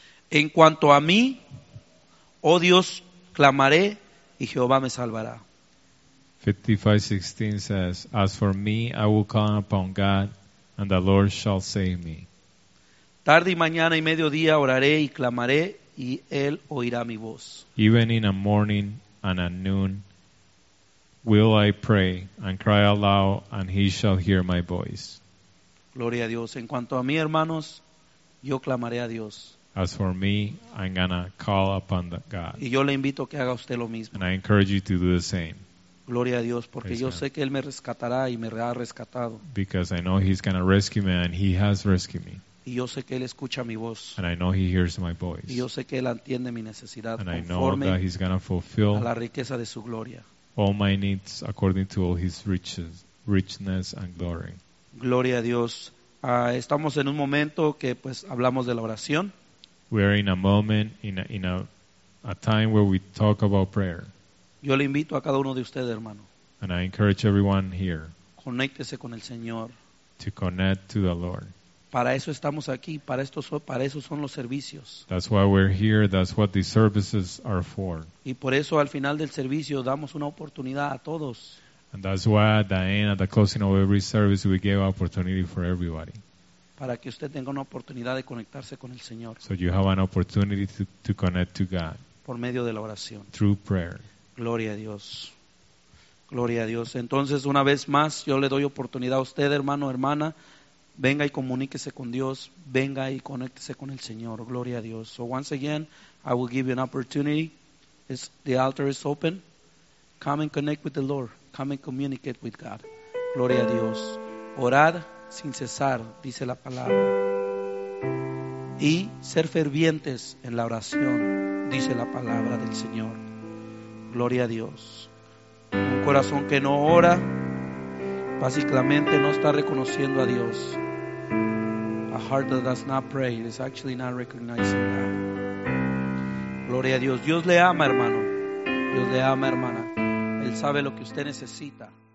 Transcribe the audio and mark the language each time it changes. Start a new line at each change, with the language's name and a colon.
Spanish: En cuanto a mí, oh Dios, clamaré y Jehová me salvará.
English: 55:16 says, "As for me, I will call upon God, and the Lord shall save me."
Spanish: Tarde y mañana y mediodía oraré y clamaré y él oirá mi voz.
English: Even in a morning and at noon will I pray and cry aloud, and he shall hear my voice.
Spanish: Gloria a Dios. En cuanto a mí, hermanos, yo clamaré a Dios.
English: As for me, I'm gonna call upon the God.
Spanish: Y yo le invito a que haga usted lo mismo.
English: And I encourage you to do the same.
Spanish: Gloria a Dios, porque
English: praise
Spanish: yo God. Sé que él me rescatará y me ha rescatado.
English: Because I know he's gonna rescue me and he has rescued me.
Spanish: Y yo sé que él escucha mi voz.
English: And I know he hears my voice.
Spanish: Y yo sé que él entiende mi necesidad
English: and
Spanish: conforme
English: I know that he's gonna fulfill
Spanish: a la riqueza de su gloria.
English: All my needs according to all his riches, richness and glory.
Spanish: Gloria a Dios. Estamos en un momento que pues hablamos de la oración.
English: We are in a moment, in a time where we talk about prayer.
Spanish: Yo le invito a cada uno de ustedes, hermano.
English: And I encourage everyone here.
Spanish: Conéctese con el Señor.
English: To connect to the Lord.
Spanish: Para eso estamos aquí, para eso son los servicios.
English: That's why we're here, that's what these services are for.
Spanish: Y por eso al final del servicio damos una oportunidad a todos.
English: And that's why at the end, at the closing of every service, we give an opportunity for everybody.
Spanish: Para que usted tenga una oportunidad de conectarse con el Señor.
English: So you have an opportunity to connect to God.
Spanish: Por medio de la oración.
English: Through prayer.
Spanish: Gloria a Dios. Gloria a Dios. Entonces, una vez más, yo le doy oportunidad a usted, hermano, hermana. Venga y comuníquese con Dios. Venga y conéctese con el Señor. Gloria a Dios.
English: So once again, I will give you an opportunity. The altar is open. Come and connect with the Lord. Come and communicate with God.
Spanish: Gloria a Dios. Orad sin cesar, dice la palabra. Y ser fervientes en la oración, dice la palabra del Señor. Gloria a Dios. Un corazón que no ora, básicamente no está reconociendo a Dios.
English: A heart that does not pray is actually not recognizing God.
Spanish: Gloria a Dios. Dios le ama, hermano. Dios le ama, hermana. Él sabe lo que usted necesita.